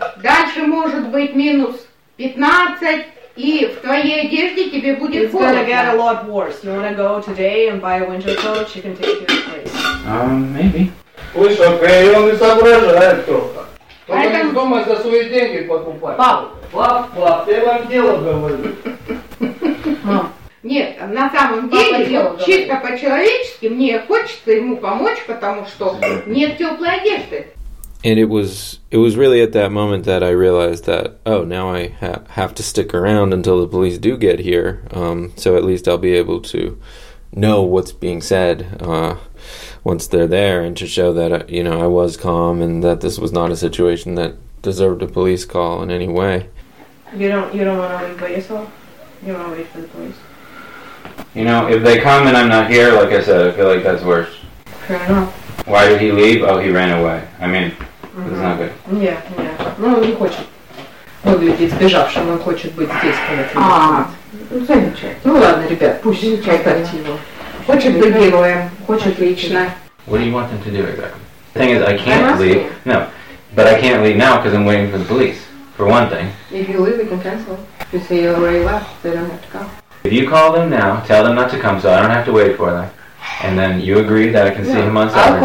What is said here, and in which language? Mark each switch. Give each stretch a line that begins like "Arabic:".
Russian: Дальше может быть минус 15. И в твоей одежде тебе будет холодно.
English: It's gonna get a lot worse. You wanna go today and buy a winter coat? She can take your place. Maybe.
Russian: Слышь, окей, он не соображает только. Только не думай за свои деньги покупать. Пап. Пап, пап, я вам дело говорю. Нет, на самом деле, чисто по-человечески, мне хочется ему помочь, потому что нет теплой одежды.
English: And it was really at that moment that I realized that, oh, now I have to stick around until the police do get here, so at least I'll be able to know what's being said once they're there, and to show that, you know, I was calm and that this was not a situation that deserved a police call in any way. You don't want to leave by yourself? You want to wait for the police? You know, if they come and I'm not here, like I said, I feel like that's worse. Fair enough. Why did he leave? Oh, he ran away. I mean... Mm-hmm. Yeah, yeah.
Russian: Ну, не хочет. Выглядит сбежавшим, он хочет быть здесь, когда ты будешь. Замечательно. Ну ладно, ребят, пусть оставьте его. Хочет быть героем, хочет лично.
English: What do you want them to do exactly? The thing is, I can't leave. No, but I can't leave now, because I'm waiting for the police. For one thing. If you leave, we can cancel. If you say you already left, they don't have to come. If you call them now, tell them not to come, so I don't have to wait for them. And then you agree that I can see him on Saturday.